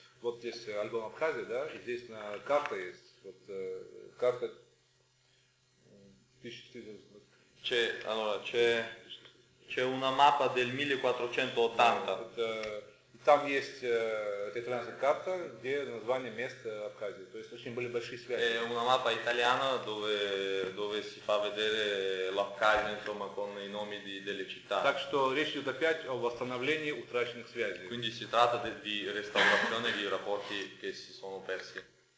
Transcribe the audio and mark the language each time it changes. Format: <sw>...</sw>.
<ru>Вот здесь альбом Абхазии, да, и здесь на карте есть, вот карта 1480.</ru> <it>C'è, allora, c'è una mappa del 1480.</it> <ru>И там есть итальянская карта, где название места Абхазии, то есть очень были большие связи.</ru> <it>È una mappa italiana dove si fa vedere l'Abkhazia, insomma, con i nomi delle città.</it> <ru>Так что речь идет опять о восстановлении утраченных связей.</ru> <it>Quindi si tratta di restaurazione dei rapporti che si sono persi.</it>